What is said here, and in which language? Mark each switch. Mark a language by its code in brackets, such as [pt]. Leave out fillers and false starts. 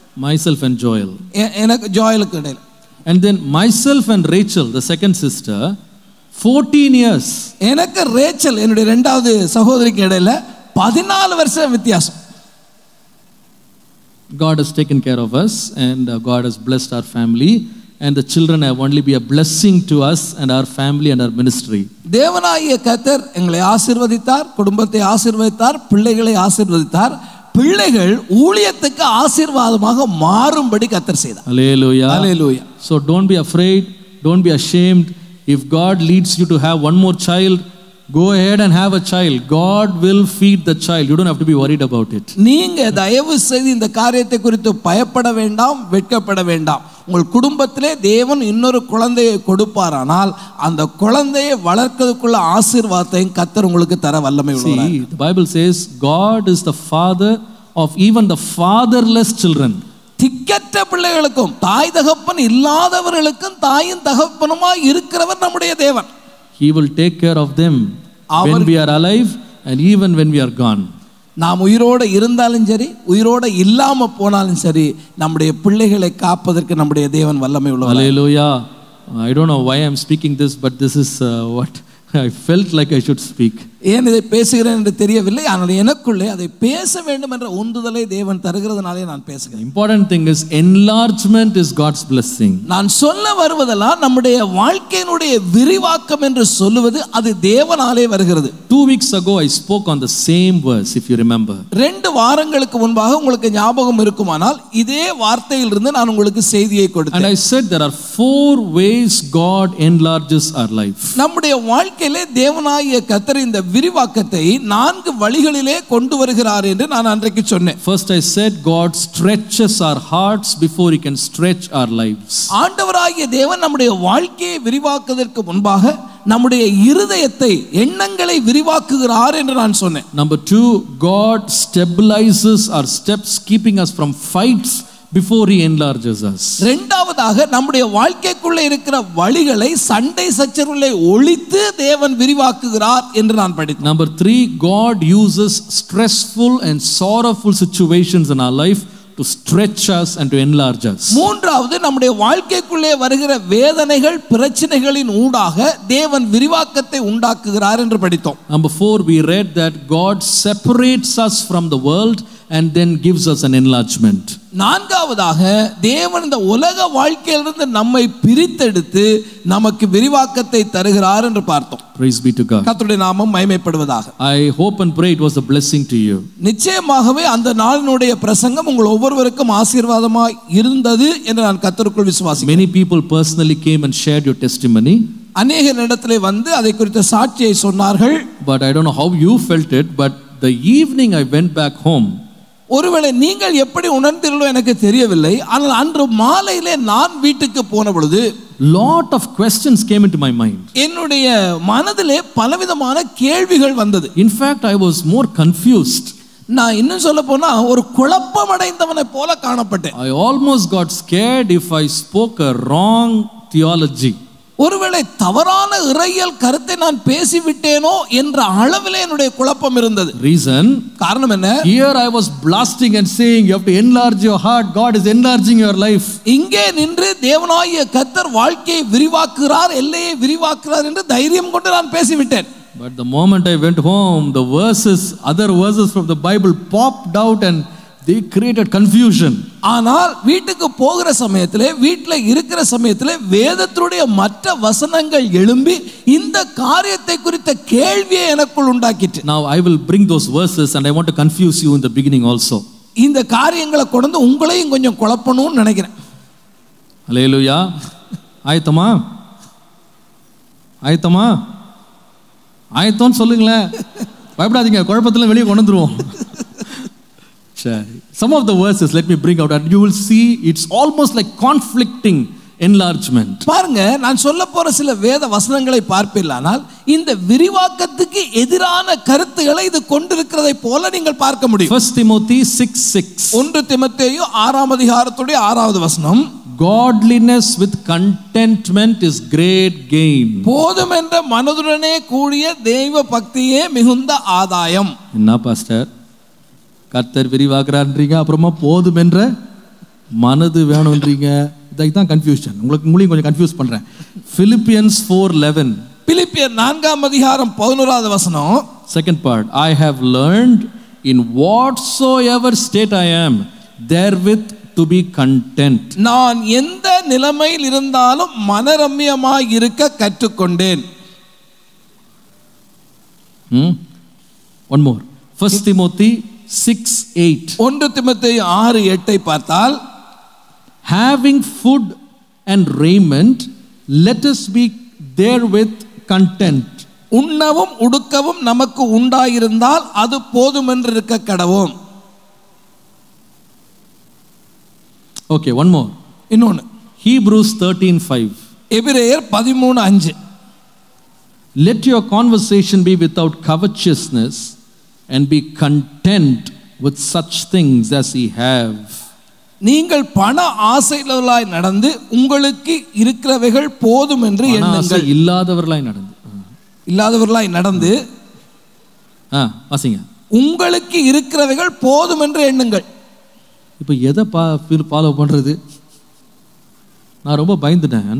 [en] Myself and Joel. [ta] எனக்கு ஜோயலுக்கு இடையில். [en] And then myself and Rachel, the second sister, 14 years. [ta] எனக்கு Rachel என்னுடைய ரெண்டாவது சகோதரிக்கு இடையில 14 வருஷம் வித்தியாசம். [en] God has taken care of us and God has blessed our family. And the children have only be a blessing to us and our family and our ministry. [ta] தேவனாகிய கர்த்தர் எங்களை ஆசீர்வதித்தார், குடும்பத்தை ஆசீர்வதித்தார், பிள்ளைகளை ஆசீர்வதித்தார், பிள்ளைகள் ஊழியத்துக்கு ஆசீர்வாதமாக மாறும்படி கர்த்தர் செய்தார். அல்லேலூயா, அல்லேலூயா. [en] So don't be afraid, don't be ashamed. If God leads you to have one more child, go ahead and have a child. God will feed the child. You don't have to be worried about it. [ta] நீங்க தயவு செய்து இந்த காரியத்தை குறித்து பயப்பட வேண்டாம், வெட்கப்பட வேண்டாம். உங்கள் குடும்பத்திலே தேவன் இன்னொரு குழந்தையை கொடுப்பாரானால் அந்த குழந்தையை வளர்க்கிறதுக்குள்ள ஆசீர்வாதத்தையும் கர்த்தர் உங்களுக்கு தர வல்லமை உள்ளவர். [en] The Bible says God is the father of even the fatherless children. [ta] திக்கற்ற பிள்ளைகளுக்கும் தாய் தகப்பன் இல்லாதவர்களுக்கும் தாயும் தகப்பனுமா இருக்கிறவர் நம்முடைய தேவன். [en] He will take care of them when we are alive and even when we are gone. [ta] நாம் உயிரோடு இருந்தாலும் சரி, உயிரோடு இல்லாம போனாலும் சரி, நம்முடைய பிள்ளைகளை காப்பதற்கு நம்முடைய தேவன் வல்லமை உள்ளவர். [en] Hallelujah. I don't know why I'm speaking this, but this is what I felt like I should speak. [ta] ஏன் இதை பேசுகிறேன் என்று தெரியவில்லை, ஆனால் எனக்குள்ளே அதை பேச வேண்டும் என்ற உந்துதலை தேவன் தருகிறதுனாலே நான் பேசுகிறேன். [en] Important thing is enlargement is God's blessing. [ta] நான் சொல்ல வருவதெல்லாம் நம்முடைய வாழ்க்கையினுடைய விரிவாக்கம் என்று சொல்லுவது அது தேவனாலே வருகிறது. [en] 2 weeks ago I spoke on the same verse, if you remember. [ta] 2 வாரங்களுக்கு முன்பாக உங்களுக்கு ஞாபகம் இருக்குமானால் இதே வார்த்தையிலிருந்து நான் உங்களுக்கு செய்தியை கொடுத்தேன். [en] And I said there are 4 ways God enlarges our life. [ta] நம்முடைய வாழ்க்கையிலே தேவனாகிய கர்த்தர் இந்த விரிவாக்கத்தை நான்கு வழிகளிலே கொண்டு வருகிறார் என்று நான் அன்றைக்கு சொன்னேன். [en] First I said God stretches our hearts before he can stretch our lives. [ta] ஆண்டவராகிய தேவன் நம்முடைய வாழ்க்கையை விரிவாக்குவதற்கு முன்பாக நம்முடைய இருதயத்தை எண்ணங்களை விரிவாக்குகிறார் என்று நான் சொன்னேன். [en] Number 2, God stabilizes our steps, keeping us from fights before he enlarges us. [ta] இரண்டாவதாக நம்முடைய வாழ்க்கைக்குள்ள இருக்கிற வழிகளை சண்டை சச்சரவுகளை ஒழித்து தேவன் விரிவாக்குகிறார் என்று நான் படித்தேன். [en] Number 3, God uses stressful and sorrowful situations in our life to stretch us and to enlarge us. [ta] மூன்றாவது நம்முடைய வாழ்க்கைக்குள்ளே வருகிற வேதனைகள் பிரச்சனைகளின் ஊடாக தேவன் விரிவாக்கத்தை உண்டாக்குகிறார் என்று படித்தோம். [en] Number 4, we read that God separates us from the world and then gives us an enlargement. [ta] நான்காவதாக தேவன் இந்த உலக வாழ்க்கையிலிருந்து நம்மை பிரித்தெடுத்து நமக்கு விரிவாக்கத்தை தருகிறார் என்று பார்த்தோம். [en] Praise be to God. [ta] கர்த்தருடைய நாமம் மகிமைப்படுவதாக. [en] I hope and pray it was a blessing to you. [ta] நிச்சயமாகவே அந்த நாளினுடைய பிரசங்கம் உங்கள் ஒவ்வொருவருக்கும் ஆசீர்வாதமாய் இருந்தது என்று நான் கர்த்தருக்குள் விசுவாசிக்கிறேன். [en] Many people personally came and shared your testimony. [ta] அநேக இடத்திலே வந்து அதை குறித்த சாட்சியை சொன்னார்கள். [en] But I don't know how you felt it, but the evening I went back home, [ta] ஒருவேளை நீங்கள் எப்படி உணர்ந்தீர்களோ எனக்கு தெரியவில்லை, ஆனால் அன்று மாலையிலே நான் வீட்டுக்கு போன பொழுது [en] lot of questions came into my mind. [ta] என்னுடைய மனதிலே பலவிதமான கேள்விகள் வந்தது. [en] In fact, I was more confused. [ta] நான் இன்னும் சொல்ல போனா ஒரு குழப்பமடைந்தவனை போல காணப்பட்டேன். [en] I almost got scared if I spoke a wrong theology. [ta] ஒருவேளை தவறான இறையியல் கருத்தை நான் பேசிவிட்டேனோ என்ற அளவிலே என்னுடைய குழப்பம் இருந்தது. [en] Reason, [ta] காரணம் என்ன? [en] Here I was blasting and saying you have to enlarge your heart, God is enlarging your life. [ta] இங்கே நின்று தேவனாகிய கர்த்தர் வாழ்க்கையை விரிவாக்குறார், எல்லையை விரிவாக்குறார் என்று தைரியம் கொண்டு நான் பேசிவிட்டேன். [en] But the moment I went home, the verses, other verses from the Bible popped out and they created confusion. [ta] ஆனால் வீட்டுக்கு போகிற சமயத்திலே, வீட்டில் இருக்கிற சமயத்திலே வேதத்தினுடைய மற்ற வசனங்கள் எழும்பி இந்த காரியத்தை குறித்த கேள்வியை எனக்குள் உண்டாக்கிட்டு. [en] Now I will bring those verses and I want to confuse you in the beginning also. [ta] இந்த காரியங்களை கொண்டு உங்களையும் கொஞ்சம் குழப்பணும்னு நினைக்கிறேன். அல்லேலூயா. ஆயத்தமா? ஆயத்தமா? ஆயத்தம்னு சொல்லுங்களேன், பயப்படாதீங்க, குழப்பத்துல வெளியே கொண்டு வந்துருவோம். [en] Some of the verses let me bring out and you will see it's almost like conflicting enlargement. [ta] பாருங்க, நான் சொல்ல போற சில வேத வசனங்களை பார்ப்பீர்களானால் இந்த விரிவாக்கத்துக்கு எதிரான கருத்துக்களை இது கொண்டிருக்கிறதை போல நீங்கள் பார்க்க முடியும். [en] 1 Timothy 6:6. [ta] 1 திமோத்தேயு 6 அதிகாரத்துடைய 6 வசனம். [en] Godliness with contentment is great gain. [ta] போதும் என்ற மனதுடனே கூடிய தெய்வ பக்தியே மிகுந்த ஆதாயம். என்ன பாஸ்டர், கர்த்தர் விரிவாக்குறான்றீங்க, அப்புறமா போதும் என்ற மனது வேணும்ன்றீங்க, இதைத்தான் கன்ஃபியூஷன். உங்களுக்கு மூலியம் கொஞ்சம் கன்ஃபியூஸ் பண்றேன். Philippians 4:11. Philippian 4:11. [en] Second part, I have learned in whatsoever state I am therewith to be content. [ta] நான் எந்த நிலைமையில் இருந்தாலும் மனரம்யமாக இருக்க கற்றுக்கொண்டேன். [en] One more, 1 Timothy 6:8. [ta] 1 திமோத்தேயு 6:8 பார்த்தால், [en] having food and raiment, let us be therewith content. [ta] உண்ணவும் உடுக்கவும் நமக்கு உண்டாயிருந்தால் அது போதும் என்று இருக்க கடவோம். [en] okay, one more, [ta] இன்னொன்னு, [en] Hebrews 13:5. [ta] எபிரேயர் 13:5. [en] Let your conversation be without covetousness and be content with such things as he have. [ta] நீங்கள் பண ஆசையுள்ளவர்களாய் நடந்து உங்களுக்கு இருக்கிறவைகள் போதும் என்று எண்ணுங்கள். இல்லாதவர்களாய் நடந்து, இல்லாதவர்களாய் நடந்து வாசிங்க, உங்களுக்கு இருக்கிறவைகள் போதும் என்று எண்ணுங்கள். இப்ப எதை ஃபாலோ பண்றது? நான் ரொம்ப பயந்துட்டேன்.